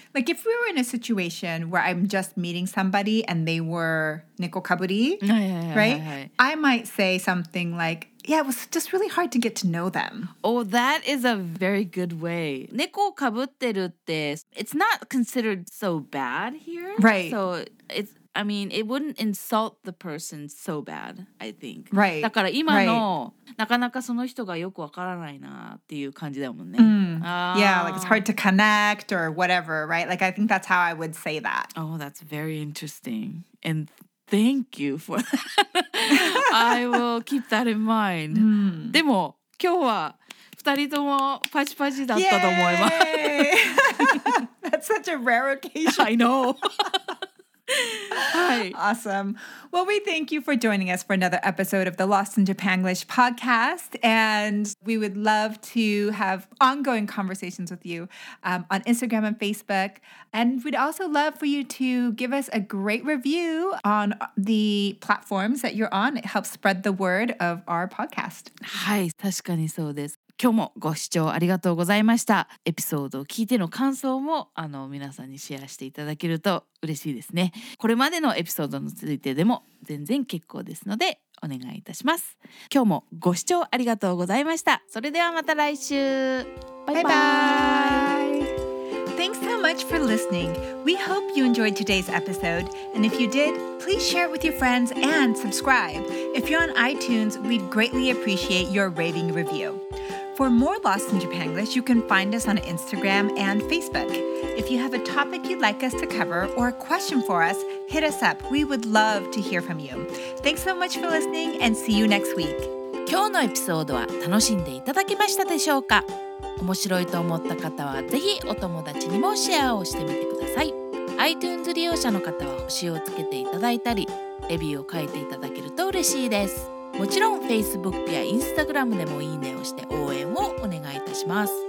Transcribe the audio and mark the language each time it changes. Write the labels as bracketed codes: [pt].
[en] Like, if we were in a situation where I'm just meeting somebody and they were 猫かぶり, right? I might say something like, Yeah, it was just really hard to get to know them. Oh, that is a very good way. [ja] 猫をかぶってるって [en] It's not considered so bad here. Right. So it's, I mean, it wouldn't insult the person so bad, I think. Right. [ja] だから今の、なかなかその人がよくわからないなっていう感じだもんね。 Mm. [en] Yeah, like it's hard to connect or whatever, right? Like I think that's how I would say that. Oh, that's very interesting. And thank you for that. I will keep that in mind. Mm. [ja] でも今日は二人ともパチパチだったと思います。 [en] Yay! That's such a rare occasion. I know. Awesome. Well, we thank you for joining us for another episode of the Lost in Japanglish podcast. And we would love to have ongoing conversations with you on Instagram and Facebook. And we'd also love for you to give us a great review on the platforms that you're on. It helps spread the word of our podcast. [ja] はい、確かにそうです。今日もご視聴ありがとうございました。エピソードを聞いての感想も皆さんにシェアしていただけると嬉しいですね。これまでのエピソードについてでも全然結構ですのでお願いいたします。今日もご視聴ありがとうございました。それではまた来週。バイバイ。バイバイ。 [en] Thanks so much for listening. We hope you enjoyed today's episode. And if you did, please share it with your friends and subscribe. If you're on iTunes, we'd greatly appreciate your rating review. For more Lost in Japanglish, you can find us on Instagram and Facebook. If you have a topic you'd like us to cover or a question for us, hit us up. We would love to hear from you. Thanks so much for listening and see you next week. [ja] 今日のエピソードは楽しんでいただけましたでしょうか?面白いと思った方はぜひお友達にもシェアをしてみてください。 iTunes 利用者の方は星をつけていただいたり、レビューを書いていただけると嬉しいです。もちろん Facebook や Instagram でもいいねをして応援をお願いいたします。